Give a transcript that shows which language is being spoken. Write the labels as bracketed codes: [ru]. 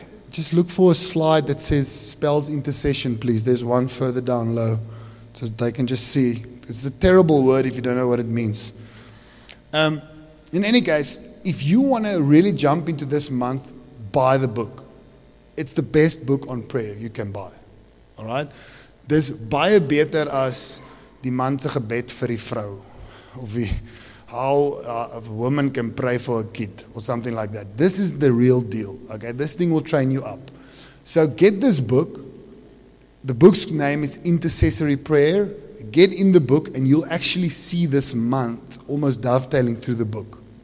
[en] Just look for a slide that says spells intercession, please. There's one further down low so they can just see. It's a terrible word if you don't know what it means. In any case, if you want to really jump into this month, buy the book. It's the best book on prayer you can buy. All right? [af] Dis baie beter as die man se gebed vir die vrou. Of wie, [en] how a woman can pray for a kid or something like that. This is the real deal. Okay, this thing will train you up. So get this book. The book's name is Intercessory Prayer. Get in the book and you'll actually see this month almost dovetailing through the book.